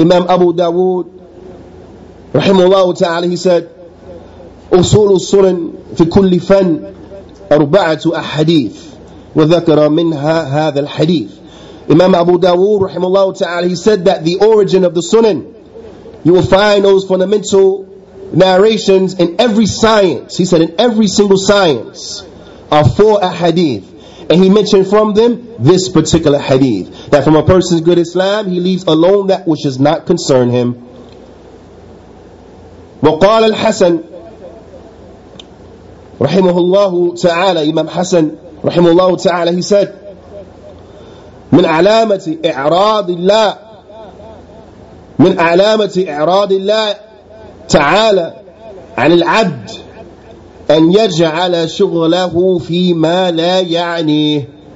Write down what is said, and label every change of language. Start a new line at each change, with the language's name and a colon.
Arabic: Imam Abu Dawood, rahimahullah ta'ala,
English: he said,
Arabic: أصول السنن في كل فن أربعة أحاديث وذكر منها هذا الحديث.
English: Imam Abu Dawood, rahimahullah ta'ala, he said that the origin of the sunan, you will find those fundamental narrations in every science. He said in every single science are four ahadith. And he mentioned from them this particular hadith, that from a person's good Islam, he leaves alone that which does not concern him.
Arabic: وَقَالَ الْحَسَنِ رحمه الله تعالى إمام حسن رحمه الله تعالى
English: he said
Arabic: من علامة إعراض الله من علامة إعراض الله تعالى عن العبد أن يجعل شغله فيما لا يعنيه.